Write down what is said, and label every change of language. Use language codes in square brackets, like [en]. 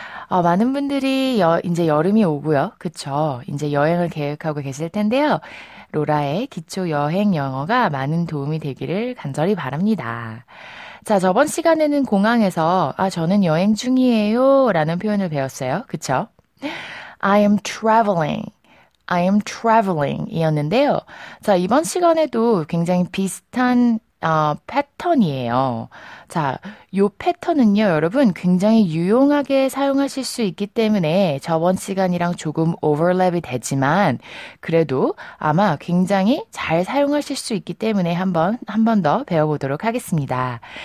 [ko] 많은 분들이 이제 여름이 오고요. 그쵸? 이제 여행을 계획하고 계실 텐데요. 로라의 기초 여행 영어가 많은 도움이 되기를 간절히 바랍니다. 자, 저번 시간에는 공항에서, 저는 여행 중이에요. 라는 표현을 배웠어요. 그쵸? [en] I am traveling. I am traveling [ko] 이었는데요. 자, 이번 시간에도 굉장히 비슷한 패턴이에요. 자, 요 패턴은요, 여러분 굉장히 유용하게 사용하실 수 있기 때문에 저번 시간이랑 조금 오버랩이 되지만 그래도 아마 굉장히 잘 사용하실 수 있기 때문에 한번 더 배워보도록 하겠습니다.